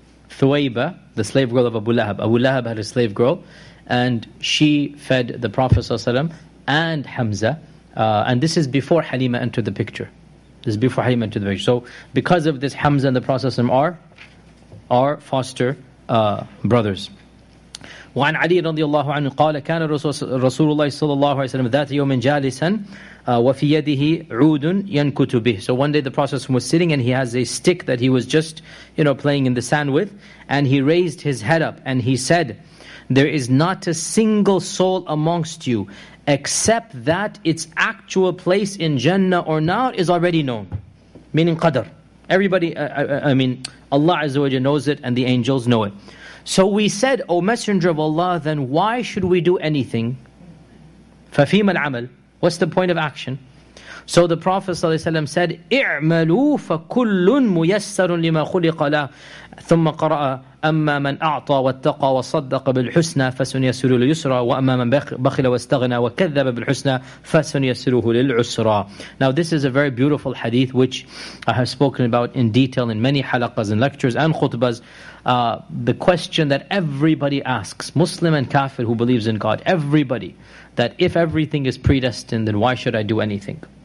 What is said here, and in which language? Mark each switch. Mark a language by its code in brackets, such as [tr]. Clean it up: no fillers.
[en] Thuwayba, the slave girl of Abu Lahab. Abu Lahab had a slave girl, and she fed the Prophet ﷺ and Hamza. And this is before Halima entered the picture. This is before Halima entered the picture. So because of this, Hamza and the Prophet ﷺ are foster brothers. [ar] وعن علي رضي الله عنه قال كان رسول الله صلى الله عليه وسلم ذات يوم جالسا وفي يده عود ينكت به. [en] So one day the Prophet was sitting and he has a stick that he was just, you know, playing in the sand with. And he raised his head up and he said, there is not a single soul amongst you, except that its actual place in Jannah or not is already known. Meaning Qadr. Everybody, Allah Azza wa Jalla knows it and the angels know it. So we said, O Messenger of Allah, then why should we do anything? [ar] فَفِيمَ الْعَمَلِ. [en] What's the point of action? So the Prophet ﷺ said, [ar] اِعْمَلُوا فَكُلٌ مُيَسَّرٌ لِمَا خُلِقَ لَهُ ثُمَّ قَرَأَ أَمَّا مَنْ أَعْطَى وَاتَّقَى وَصَدَّقَ بِالْحُسْنَى فَسَنُيَسِّرُهُ لِلْيُسْرَى وَأَمَّا مَنْ بَخِلَ وَاسْتَغْنَى وَكَذَّبَ بِالْحُسْنَى فَسَنُيَسِّرُهُ لِلْعُسْرَى. [en] Now this is a very beautiful hadith which I have spoken about in detail in many halaqas and lectures and khutbas. The question that everybody asks, Muslim and kafir who believes in God, everybody, that if everything is predestined, then why should I do anything?